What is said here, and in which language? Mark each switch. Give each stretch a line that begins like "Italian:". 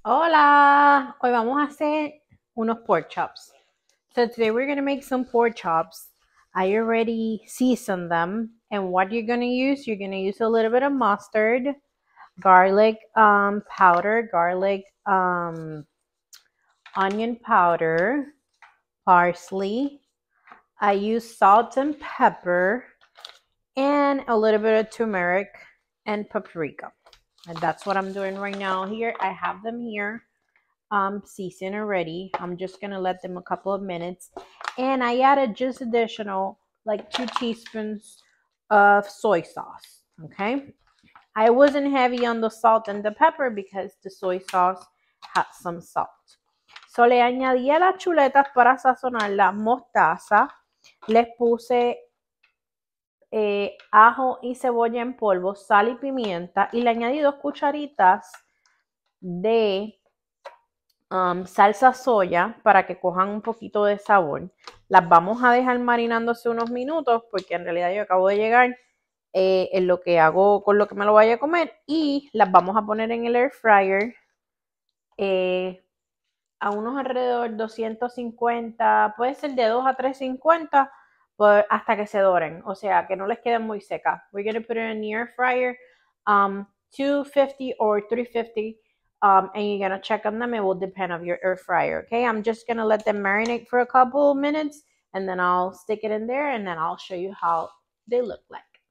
Spanish: Hola, hoy vamos a hacer unos pork chops.
English: So today we're going to make some pork chops. I already seasoned them. And what you're going to use, you're going to use a little bit of mustard, garlic powder, garlic onion powder, parsley. I use salt and pepper and a little bit of turmeric and paprika. And that's what I'm doing right now here. I have them here seasoned already. I'm just going to let them a couple of minutes. And I added just additional, like 2 teaspoons of soy sauce, okay? I wasn't heavy on the salt and the pepper because the soy sauce had some salt.
Spanish: So le añadí a las chuletas para sazonar la mostaza. Les puse ajo y cebolla en polvo, sal y pimienta, y le añadí 2 cucharitas de salsa soya para que cojan un poquito de sabor. Las vamos a dejar marinándose unos minutos porque en realidad yo acabo de llegar en lo que hago con lo que me lo vaya a comer, y las vamos a poner en el air fryer a unos alrededor 250, puede ser de 2 a 350, hasta que se doren, o sea, que no les queden muy secas.
English: We're going to put it in the air fryer, 250 or 350, and you're going to check on them. It will depend on your air fryer, okay? I'm just going to let them marinate for a couple of minutes, and then I'll stick it in there, and then I'll show you how they look like.